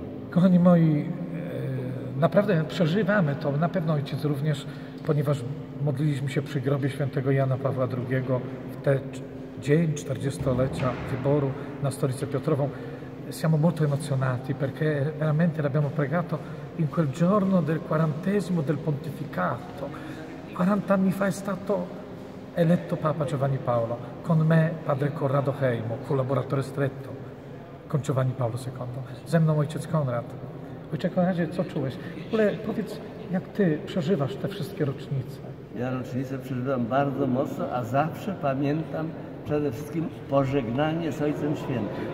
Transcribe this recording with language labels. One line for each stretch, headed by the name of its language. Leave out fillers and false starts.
Polish: Kochani moi, naprawdę przeżywamy to, na pewno Ojciec również, ponieważ modliliśmy się przy grobie świętego Jana Pawła II w ten dzień 40-lecia wyboru na stolicę Piotrową.
Italian: Siamo molto emozionati perché veramente l'abbiamo pregato in quel giorno del quarantesimo del pontificato. 40 anni fa è stato eletto Papa Giovanni Paolo, con me padre Corrado Hejmo, collaboratore stretto con Giovanni Paolo II.
Polish: Ze mną ojciec Konrad. Ojcze Konradzie, co czułeś? W ogóle powiedz, jak ty przeżywasz te wszystkie rocznice? Ja rocznicę przeżywam bardzo mocno, a zawsze pamiętam przede wszystkim pożegnanie z Ojcem Świętym.